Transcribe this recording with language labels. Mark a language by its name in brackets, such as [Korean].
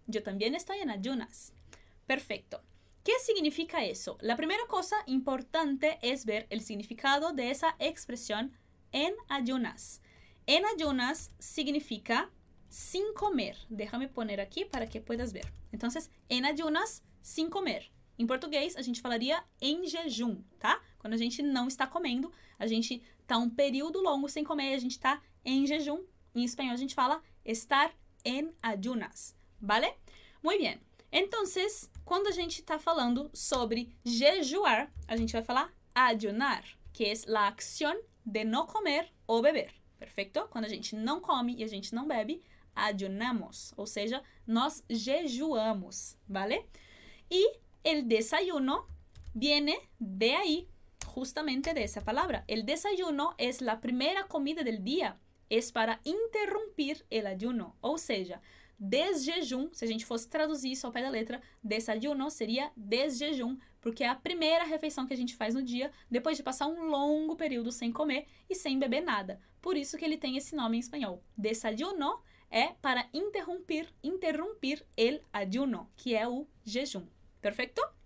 [Spanish] Yo también estoy en ayunas. Perfecto. ¿Qué significa eso? La primera cosa importante es ver el significado de esa expresión en ayunas. En ayunas significa sin comer. Déjame poner aquí para que puedas ver. Entonces, en ayunas, sin comer. [Portuguese] Em português, a gente falaria em jejum, tá? Quando a gente não está comendo, a gente está um período longo sem comer, a gente está em jejum. Em espanhol, a gente fala [Spanish] estar en ayunas, [Portuguese] vale? [Spanish] Muy bien. [Portuguese] Entonces, quando a gente está falando sobre jejuar, a gente vai falar ayunar, que é a acción de não comer ou beber, perfeito? Quando a gente não come e a gente não bebe, ayunamos, ou seja, nós jejuamos, vale? [Spanish] E el desayuno viene de ahí, justamente de esa palabra. El desayuno es la primera comida del día, es para interrumpir el ayuno. [Portuguese] Ou seja, desjejum, se a gente fosse traduzir isso ao pé da letra, desayuno seria desjejum, porque é a primeira refeição que a gente faz no dia, depois de passar um longo período sem comer e sem beber nada. Por isso que ele tem esse nome em espanhol. Desayuno é para [Spanish] interrumpir el ayuno, [Portuguese] que é o jejum. Perfecto?